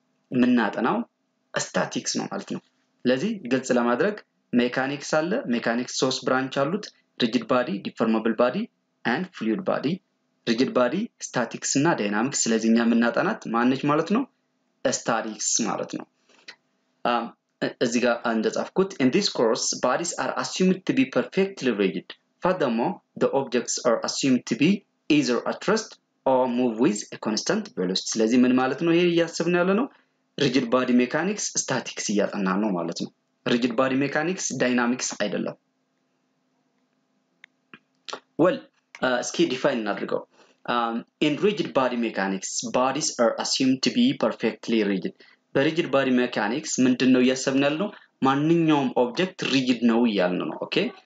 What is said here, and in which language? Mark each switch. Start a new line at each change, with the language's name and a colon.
Amharic: የምናጠናው ስታቲክስ ነው ማለት ነው። ስለዚህ ግልጽ ለማድረግ ሜካኒክስ አለ። ሜካኒክስ ሶስት ብራንች አሉት፣ ሪጅድ ባዲ፣ ዲፎርመብል ባዲ ኤንድ ፍሉድ ባዲ። ሪጅድ ባዲ፣ ስታቲክስ እና ዳይናሚክስ። ስለዚህ እኛ የምናጠናት ማነች ማለት ነው? ስታቲክስ ማለት ነው። እዚህ ጋር እንደጻፍኩት
English: in this course bodies are assumed to be perfectly rigid. Furthermore, the objects are assumed to be either at rest or move with a constant velocity.
Amharic: ስለዚህ ምን ማለት ነው ይሄ ያስብነ ያለ ነው? Rigid body mechanics statics እያጠና ነው ማለት ነው። Rigid body mechanics dynamics አይደለም። Well, እስኪ define እናድርገው.
English: In rigid body mechanics, bodies are assumed to be perfectly rigid.
Amharic: በrigid body mechanics ምንድነው ያስብነ ያለ ነው? ማንኛውም object rigid ነው ይያልነ ነው. Okay?